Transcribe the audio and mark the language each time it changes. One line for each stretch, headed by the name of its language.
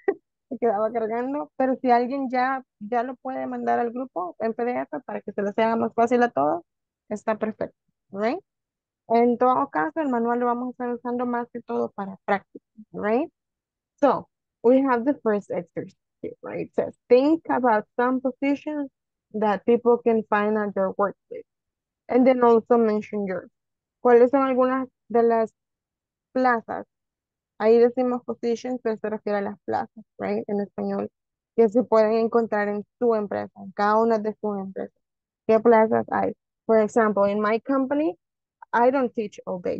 Spanish: Se quedaba cargando, pero si alguien ya lo puede mandar al grupo en PDF para que se les haga más fácil a todos, está perfecto, right? En todo caso, el manual lo vamos a estar usando más que todo para práctica, right?
English: So, we have the first exercise, right? So, think about some positions that people can find at your workplace. And then also mention yours.
Spanish: ¿Cuáles son algunas de las plazas? Ahí decimos positions, pero se refiere a las plazas, right, en español, que se pueden encontrar en su empresa, en cada una de sus empresas. ¿Qué plazas hay?
English: For example, in my company, I don't teach all day.